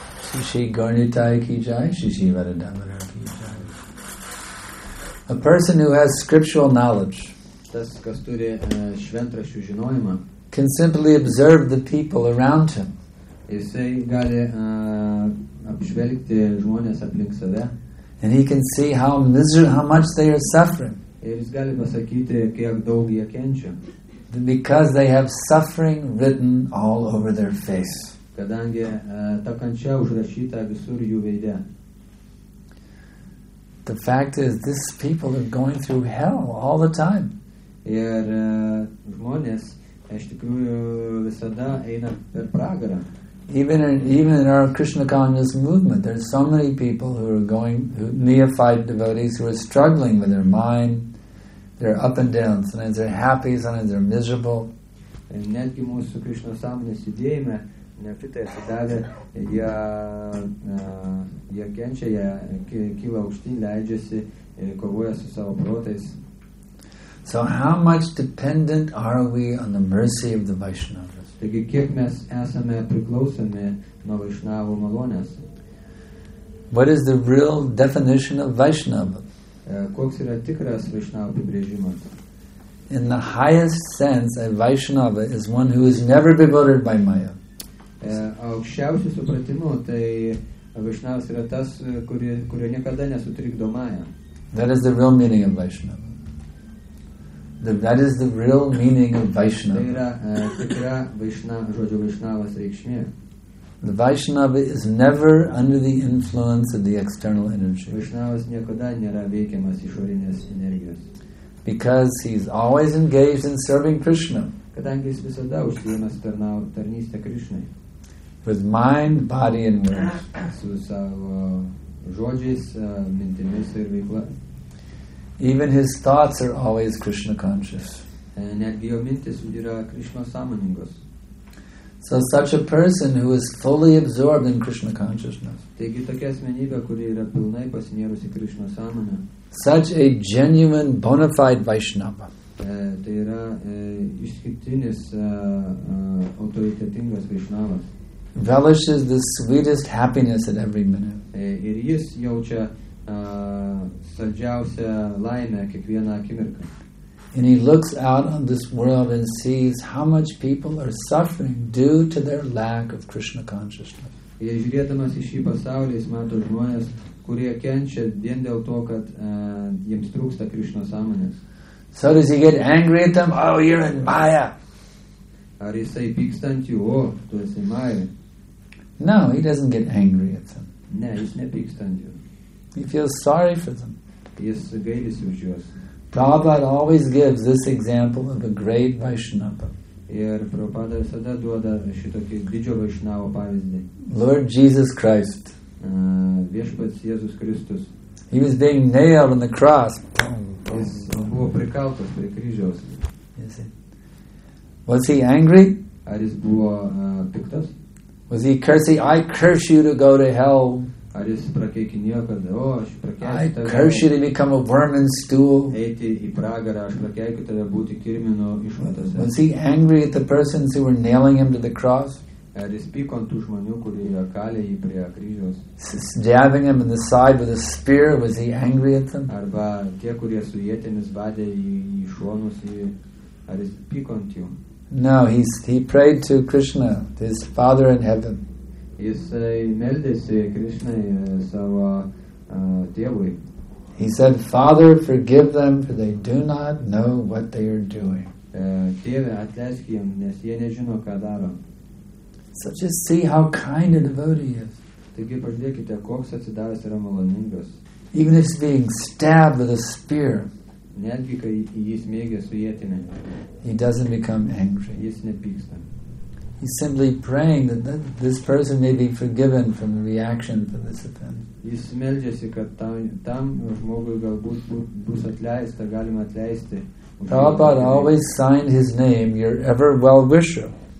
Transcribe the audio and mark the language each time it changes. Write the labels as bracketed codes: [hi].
[en] Shishi garnitai ki jai, shishi varadamara ki jai. A person who has scriptural knowledge [lt] tas, kas turi, šventraščių žinojimą, [en] can simply observe the people around him. [lt] Jisai gali, apžvelgti žmonės aplink save. [en] And he can see how much they are suffering. [lt] Ir jis gali pasakyti, kiek daug jie kenčia. [en] Because they have suffering written all over their face. [lt] Kadangi, ta kančia užrašyta visur jų veide. [en] The fact is, these people are going through hell all the time. [lt] Ir žmonės, iš tikrųjų, visada eina per pragarą. [en] Even in our Krishna consciousness movement, there's so many people who are going, neophyte devotees who are struggling with their mind. They're up and down. Sometimes they're happy, sometimes they're miserable. [lt] Netgi mūsų Krishna sąmonės judėjime, neapitai atsidavę, jie kenčia, jie kyla aukštyn, leidžiasi, kovoja su savo protais. [en] So how much dependent are we on the mercy of the Vaishnavas? [lt] Taigi, kiek mes esame priklausomi nuo Vaishnavų malonės? [en] What is the real definition of Vaishnava? [lt] Koks yra tikras Vaishnavų apibrėžimas? [en] In the highest sense, a Vaishnava is one who is never bewildered by Maya. [lt] Aukščiausiu supratimu, tai Vaishnavas yra tas, kurio niekada nesutrikdo Maya. [en] That is the real meaning of Vaishnava. That is the real meaning of Vaishnava. [lt] Tai yra tikra žodžio Vaishnavas reikšmė. [en] The Vaishnava is never under the influence of the external energy. [lt] Vaishnavas niekada nėra veikiamas išorinės energijos. [en] Because he's always engaged in serving Krishna. [lt] Kadangi jis visada užsiėmęs tarnystę Krishnai. [en] With mind, body and words. [lt] Su savo žodžiais, mintimis ir veikla. [en] Even his thoughts are always Krishna conscious. [lt] Netgi jo mintis yra Krishna sąmoningos. [en] So such a person who is fully absorbed in Krishna consciousness. [lt] Taigi tokia asmenybė, kuri yra pilnai pasinėrusi Krishna sąmonę. [en] Such a genuine bona fide Vaishnava. [lt] Tai yra išskirtinis autoritetingas Vaishnavas. [en] Relishes the sweetest happiness at every minute. [lt] Ir jis jaučia saldžiausią laimę kiekvieną akimirką. [en] And he looks out on this world and sees how much people are suffering due to their lack of Krishna consciousness. [lt] Ir žiūrėdamas į šį pasaulį, jis mato žmonės, kurie kenčia vien dėl to, kad jiems trūksta Krishna sąmonės. [en] So does he get angry at them? Oh, you're in Maya. [lt] Ar jisai pyksta ant jų? O, tu esi Maya. [en] No, he doesn't get angry at them. [lt] Ne, jis nepyksta ant jų. [en] He feels sorry for them. [lt] Jis gailisi už juos. [en] Prabhupada always gives this example of a great Vaishnava. [lt] Ir Prabhupada visada duoda šitokį didžio Vaishnavo pavyzdį. [en] Lord Jesus Christ. [lt] Viešpats Jėzus Kristus. [en] He was being nailed on the cross. [lt] Jis buvo prikaltas prie kryžiaus. [en] Was he angry? [lt] Ar jis buvo piktas? [en] Was he cursing? I curse you to go to hell. [lt] Ar jis prakeikinėjo, kad aš prakeikiu tave. [en] I curse you to become a worm and stool. [lt] Eiti į pragarą, aš prakeikiu tave būti kirminu išmatose. [en] Was he angry at the persons who were nailing him to the cross? [lt] Ar jis pyko ant tų žmonių, kurie kalė jį prie kryžiaus? [en] Stabbing him in the side with a spear, was he angry at them? [lt] Arba tie, kurie su ietėmis badė į šonus, ar jis pyko ant jų? [en] No, he prayed to Krishna, his Father in heaven. [lt] Jisai meldėsi Krishnai savo tėvui. [en] He said, Father, forgive them, for they do not know what they are doing. [lt] Tėve, atleisk jiem, nes jie nežino, ką daro. [en] So just see how kind a devotee is. [lt] Taigi pažiūrėkite, koks atsidavęs yra maloningas. [en] Even if he's being stabbed with a spear. [lt] Netgi kai jis mėgė su ietimi. [en] He doesn't become angry. [lt] Jis nepyksta. [en] He's simply praying that this person may be forgiven from the reaction to this offense. [lt] Jis meldžiasi, kad tam žmogui galbūt bus atleista, galima atleisti. [en] Prabhupada always signed his name, your ever well wisher.